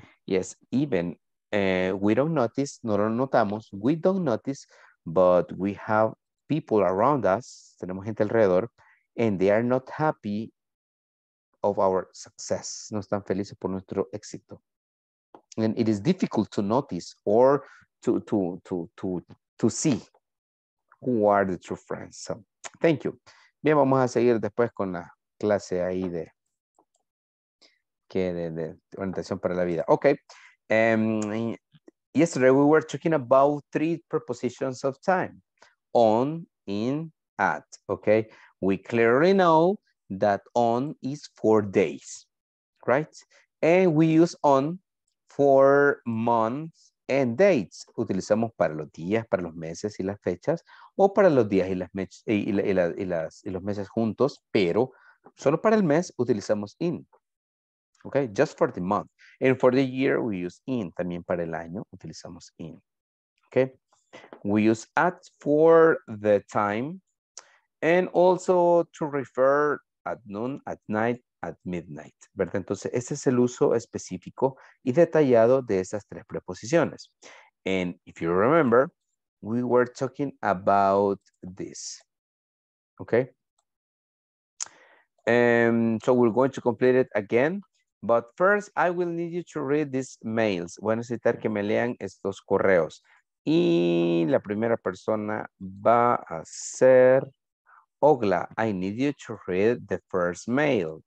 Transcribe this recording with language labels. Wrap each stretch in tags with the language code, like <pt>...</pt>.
<en>Yes, even we don't notice,</en> <es>no lo notamos,</es> <en>we don't notice, but we have people around us,</en> <es>tenemos gente alrededor,</es> <en>and they are not happy of our success.</en> <es>No están felices por nuestro éxito.</es> <en>And it is difficult to notice or to see who are the true friends. So, thank you.</en> <es>Bien, vamos a seguir después con la clase ahí de orientación para la vida.</es> <en>Okay. Yesterday we were talking about three prepositions of time. On, in, at. Okay. We clearly know that on is for days, right? And we use on for months and dates.</en> <es>Utilizamos para los días, para los meses y las fechas, o para los días y los meses juntos, pero solo para el mes utilizamos in.</es> <en>Okay, just for the month. And for the year we use in,</en> <es>también para el año utilizamos in.</es> <en>Okay, we use at for the time, and also to refer at noon, at night, at midnight,</en> <es>¿verdad? Entonces, ese es el uso específico y detallado de esas tres preposiciones.</es> <en>And if you remember, we were talking about this. Okay? So we're going to complete it again. But first, I will need you to read these mails.</en> <es>Voy a necesitar que me lean estos correos. Y la primera persona va a ser...</es> <en>Ogla, I need you to read the first mail.</en>